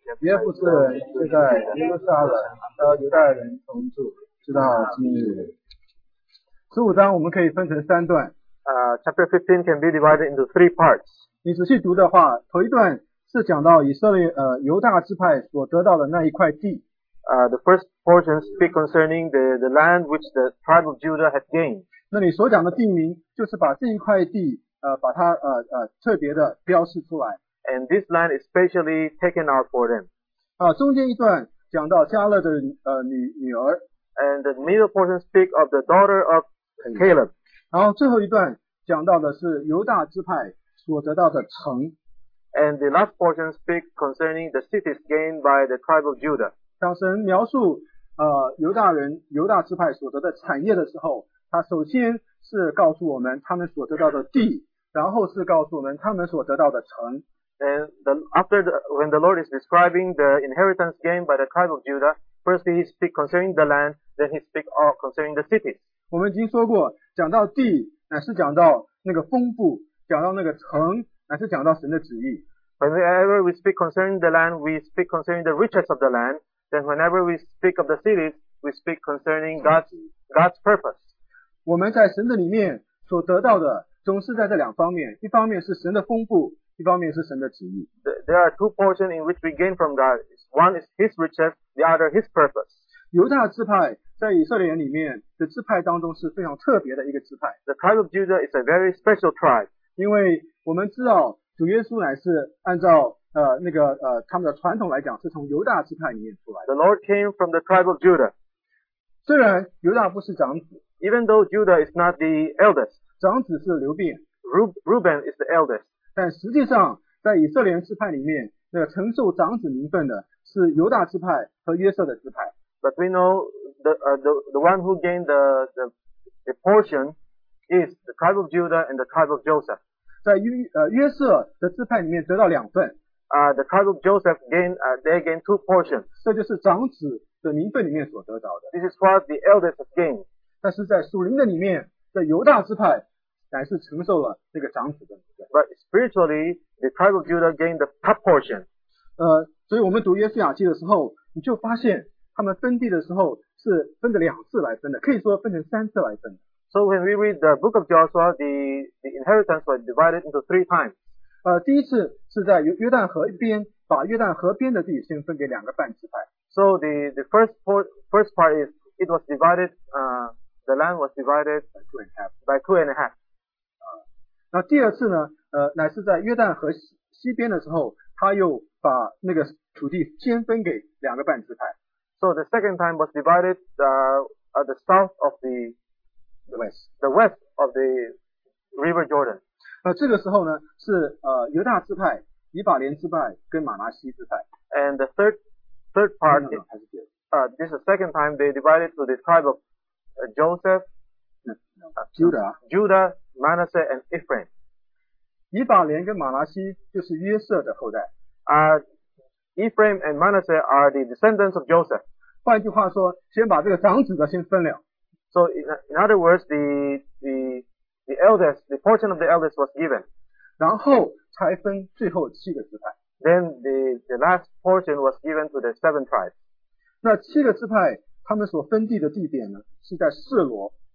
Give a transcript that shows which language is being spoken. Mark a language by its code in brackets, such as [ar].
[zh] 耶夫士人却在耶路撒冷和犹大人同住，直到今日。十五章我们可以分成三段。 [en] Chapter 15 can be divided into three parts. [zh] 你仔细读的话，头一段。是讲到以色列犹大支派所得到的那一块地。 [en] The first portion speak concerning the land which the tribe of Judah had gained. [zh] 那你所讲的地名就是把这一块地把它特别的标示出来。 [en] And this land is specially taken out for them. [zh] 中间一段讲到加勒的女儿。 [en] And the middle portion speak of the daughter of Caleb. [zh] 然后最后一段讲到的是犹大支派所得到的城。 [en] And the last portion speaks concerning the cities gained by the tribe of Judah. [zh] 当神描述犹大人犹大支派所得的产业的时候，他首先是告诉我们他们所得到的地，然后是告诉我们他们所得到的城。 [en] And when the Lord is describing the inheritance gained by the tribe of Judah, first he speaks concerning the land, then he speaks all concerning the cities. [zh] 我们已经说过，讲到地乃是讲到那个丰富，讲到那个城。乃是讲到神的旨意。 [en] Whenever we speak concerning the land, we speak concerning the riches of the land. Then whenever we speak of the cities, we speak concerning God's purpose. [zh] 我们在神的里面所得到的总是在这两方面，一方面是神的丰富，一方面是神的旨意。 [en] There are two portions in which we gain from God. One is His riches, the other His purpose. [zh] 犹大支派在以色列人里面的支派当中是非常特别的一个支派。 [en] The tribe of Judah is a very special tribe. [zh] 因为我们知道主耶稣乃是按照他们的传统来讲是从犹大支派里面出来的。 [en] The Lord came from the tribe of Judah. [zh] 虽然犹大不是长子。 [en] Even though Judah is not the eldest. [zh] 长子是流便。 [en] Reuben is the eldest. [zh] 但实际上在以色列支派里面承受长子名分的是犹大支派和约瑟的支派。 [en] But we know the one who gained the portion is the tribe of Judah and the tribe of Joseph. [zh] 在约瑟的支派里面得到两份。 [en] The tribe of Joseph gained two portions. [zh] 这就是长子的名分里面所得到的。 [en] This is what the eldest gained. [zh] 但是在属灵的里面，在犹大支派乃是承受了那个长子的名分。 [en] But spiritually, the tribe of Judah gained the top portion. [zh] 所以我们读约书亚记的时候，你就发现他们分地的时候是分的两次来分的，可以说分成三次来分的。 [en] So when we read the book of Joshua, the inheritance was divided into three times. [zh] 第一次是在约旦河边，把约旦河边的地先分给两个半支派。 [en] So the first part is it was divided The land was divided by two and a half. [zh] 那第二次呢？乃是在约旦河西边的时候，他又把那个土地先分给两个半支派。 [en] So the second time was divided at the south of the west of the river Jordan. [zh] 这个时候呢，是犹大支派、以法莲支派跟马拿西支派。 [en] And the third part is this is the second time they divided to the tribe of Joseph, Judah, Manasseh, and Ephraim. [zh] 以法莲跟马拿西就是约瑟的后代。 [en] Ephraim and Manasseh are the descendants of Joseph. [zh] 换句话说，先把这个长子的先分了。 [en] So in other words, the eldest, the portion of the eldest was given. [zh] 然后才分最后七个支派。 Then the last portion was given to the seven tribes. 那七个支派他们所分地的地点呢，是在示罗。